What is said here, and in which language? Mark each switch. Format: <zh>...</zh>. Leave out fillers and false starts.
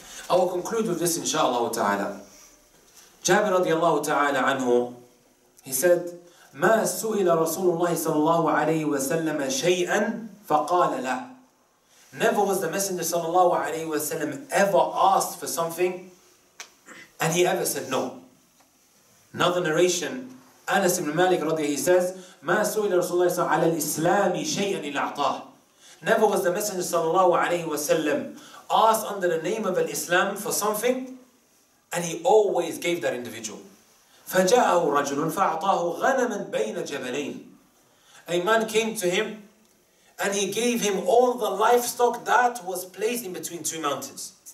<en>I will conclude with this inshaAllah ta'ala. Jabir radiallahu ta'ala anhu, he said,</en> <ar>مَا سُئِلَ رَسُولُ اللَّهِ</ar> <en>sallallahu alayhi wa sallam</en> <ar>شَيْئًا فَقَالَ لَا.</ar> <en>Never was the Messenger sallallahu alayhi wa sallam ever asked for something and he ever said no. Another narration, Anas ibn Malik radiyallahu, he says,</en> <ar>مَا سُئِلَ رَسُولُ اللَّهِ صَلَّى عَلَى الْإِسْلَامِ شَيْئًا إِلَّا أَعْطَاهُ.</ar> <en>Never was the Messenger sallallahu alayhi wa sallam asked under the name of Islam for something and he always gave that individual.</en> <ar>فَجَاءَهُ رَجُلٌ فَأَعْطَاهُ غَنَمًا بَيْنَ جَبَلَيْنِ.</ar> <en>A man came to him and he gave him all the livestock that was placed in between two mountains.</en>